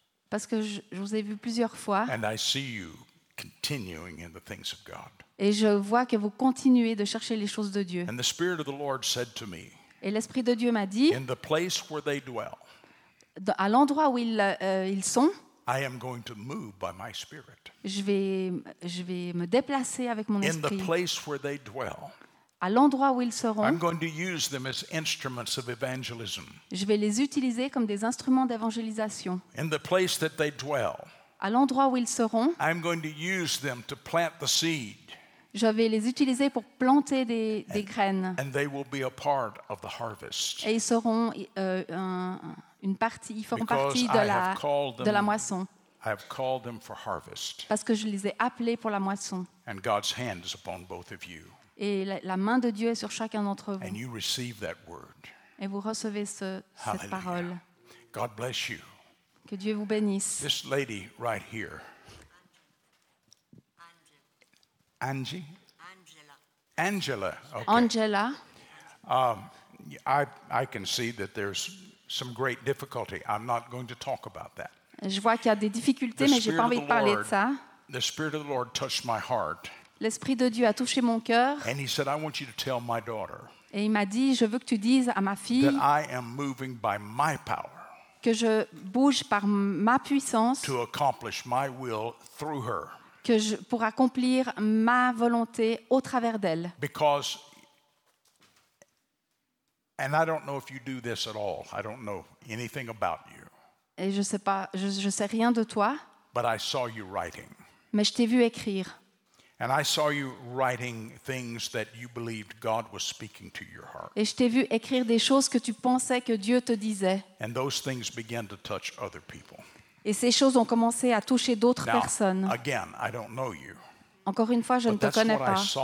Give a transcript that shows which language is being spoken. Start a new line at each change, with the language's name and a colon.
French: Parce que je vous ai vu plusieurs fois.
English: And I see you continuing in the things of God.
French: Et je vois que vous continuez de chercher les choses de Dieu.
English: And the Spirit of the Lord said to me,
French: et l'Esprit de Dieu m'a dit,
English: in the place where they dwell,
French: à l'endroit où ils sont,
English: I am going to move by my spirit.
French: Je vais me déplacer avec mon esprit.
English: In the place where they dwell.
French: À l'endroit où ils seront.
English: I'm going to use them as instruments of evangelism.
French: Je vais les utiliser comme des instruments d'évangélisation.
English: In the place that they dwell.
French: À l'endroit où ils seront.
English: I'm going to use them to plant the seed.
French: Je vais les utiliser pour planter des graines.
English: And they will be a part of the harvest.
French: Et ils seront une partie, ils feront
English: because
French: partie de la moisson.
English: I have called them for harvest.
French: Parce que je les ai appelés pour la moisson.
English: And God's hand is upon both of you.
French: Et la main de Dieu est sur chacun d'entre vous.
English: And you receive that word.
French: et vous recevez cette parole.
English: God bless you.
French: Que Dieu vous bénisse.
English: This lady right here. Angie? Angela. Okay. Angela. I can see that there's some great difficulty. I'm not going to talk about that.
French: Je vois qu'il y a des difficultés, mais j'ai pas envie de parler de ça.
English: The Spirit of the Lord touched my heart.
French: L'Esprit de Dieu a touché mon cœur.
English: And he said, I want you to tell my daughter.
French: Et il m'a dit, je veux que tu dises à ma fille
English: that I am moving by my power.
French: Que je bouge par ma puissance.
English: To accomplish my will through her.
French: Que je pour accomplir ma volonté au travers d'elle.
English: Because, and I don't know if you do this at all. I don't know anything about you.
French: Et je sais pas, je sais rien de toi.
English: But I saw you writing.
French: Mais je t'ai vu écrire.
English: And I saw you writing things that you believed God was speaking to your heart.
French: Et je t'ai vu écrire des choses que tu pensais que Dieu te disait.
English: And those things began to touch other people.
French: Et ces choses ont commencé à toucher d'autres
English: Now,
French: personnes.
English: Again, I don't know you,
French: encore une fois, je ne te connais pas.